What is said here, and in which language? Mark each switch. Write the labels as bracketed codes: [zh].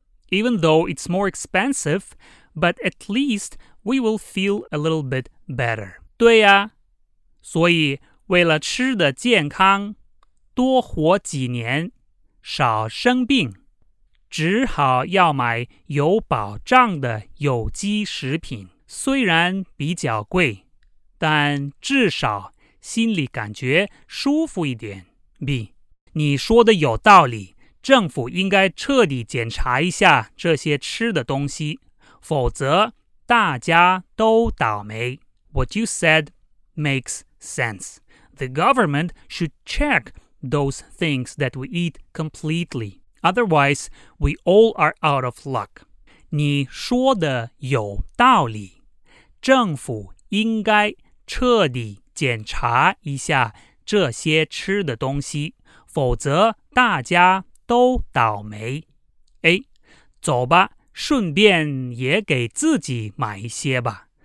[en] Even though it's more expensive, but at least we will feel a little bit better. [zh] 对呀，所以为了吃的健康，多活几年，少生病，只好要买有保障的有机食品。虽然比较贵，但至少心里感觉舒服一点。 B， 你说的有道理，政府应该彻底检查一下这些吃的东西，否则大家都倒霉。 [en] What you said makes sense. The government should check those things that we eat completely. Otherwise, we all are out of luck. [zh] 你说的有道理，政府应该彻底检查一下这些吃的东西，否则大家都倒霉。 A， 走吧，顺便也给自己买一些吧。